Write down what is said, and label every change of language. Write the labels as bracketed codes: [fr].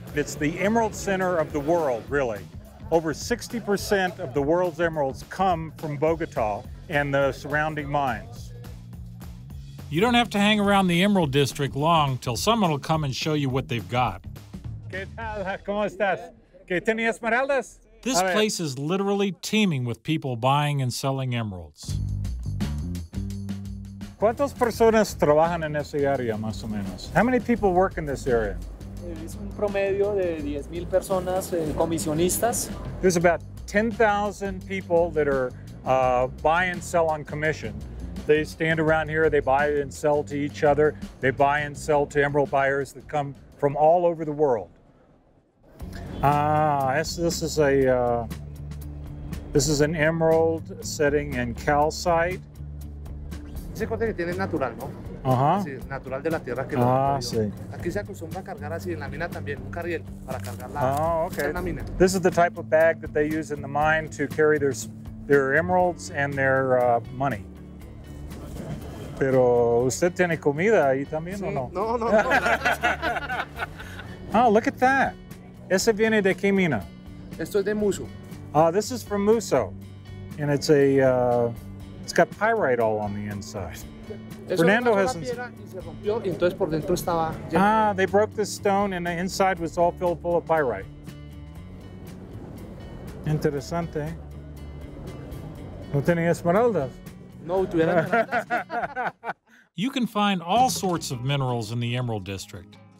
[en] It's the emerald center of the world, really. Over 60% of the world's emeralds come from Bogotá and the surrounding mines. You don't have to hang around the Emerald District long till someone will come and show you what they've got. [es] ¿Qué tal? ¿Cómo estás? ¿Qué tiene esmeraldas? [en] This place is literally teeming with people buying and selling emeralds. [es] ¿Cuántas personas trabajan en esa área, más o menos? [en] How many people work in this area? [es] Es un promedio de 10,000 personas, comisionistas. [en] There's about 10,000 people that are buy and sell on commission. They stand around here, they buy and sell to each other. They buy and sell to emerald buyers that come from all over the world. This is an emerald setting in calcite. [es] Dice cuenta que tiene natural, ¿no? Ajá. Natural de la tierra que lo produjo. Ah, sí. Aquí se acostumbra a cargar así en la mina también, un carriel para cargar la, okay. La mina. [en] This is the type of bag that they use in the mine to carry their emeralds and their money. [es] Pero usted tiene comida ahí también, sí. ¿O no? No. [en] Oh, look at that. [es] ¿Ese viene de qué mina? Esto es de Muso. [en] This is from Muso. And it's a, it's got pyrite all on the inside. Eso Fernando has some. Y se rompió, y entonces por dentro estaba lleno. Ah, they broke this stone and the inside was all filled full of pyrite. [es] Interesante. No tiene esmeraldas. [en] You can find all sorts of minerals in the Emerald District.